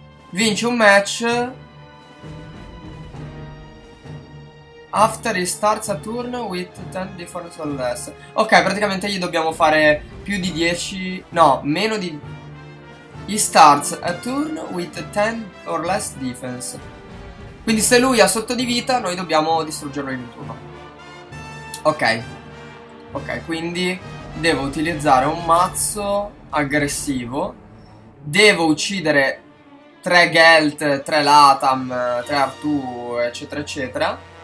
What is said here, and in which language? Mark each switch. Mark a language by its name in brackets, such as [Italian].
[Italian] Vinci un match [English] after he starts a turn with 10 defense or less. [Italian] Ok, praticamente gli dobbiamo fare più di 10... No, meno di... [English] He starts a turn with 10 or less defense. [Italian] Quindi se lui ha sotto di vita, noi dobbiamo distruggerlo in un turno. Ok. Ok, quindi devo utilizzare un mazzo aggressivo. Devo uccidere 3 Gelt, 3 Latam, 3 Arthur, eccetera eccetera.